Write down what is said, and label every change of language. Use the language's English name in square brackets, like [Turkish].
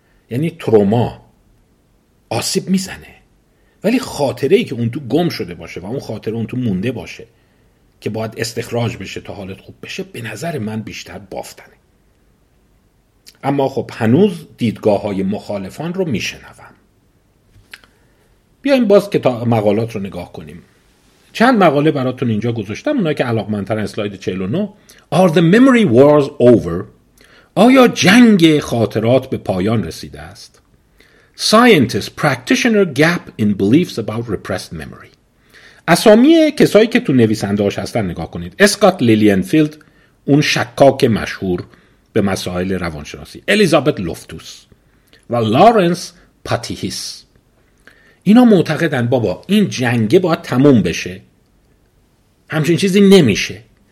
[Persian] یعنی تروما آسیب میزنه، ولی خاطره ای که اون تو گم شده باشه و اون خاطره اون تو مونده باشه که باید استخراج بشه تا حالت خوب بشه، به نظر من بیشتر بافتنه. اما خب هنوز دیدگاه های مخالفان رو میشنوم. بیایم باز کتاب مقالات رو نگاه کنیم. چند مقاله براتون اینجا گذاشتم، اونایی که علاقمندتر اسلاید 49. [English] Are the memory wars over؟ [Persian] آیا جنگ خاطرات به پایان رسیده است؟ [English] Scientist practitioner gap in beliefs about repressed memory. [Persian] اسامی کسایی که تو نویسنده‌هاش هستن نگاه کنید. اسکات لیلینفیلد، اون شکاک مشهور به مسائل روانشناسی. الیزابت لوفتوس و لارنس پاتیهیس. اینا معتقدن بابا این جنگه باید تموم بشه، همچین چیزی نمیشه.